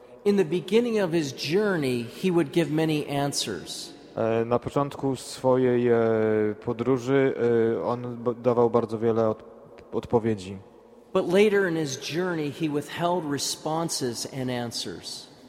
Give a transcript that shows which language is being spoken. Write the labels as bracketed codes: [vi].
[en] In the beginning of his journey, he would give many answers. [pl] Na początku swojej podróży on dawał bardzo wiele odpowiedzi. [en] But later in his journey, he withheld responses and answers.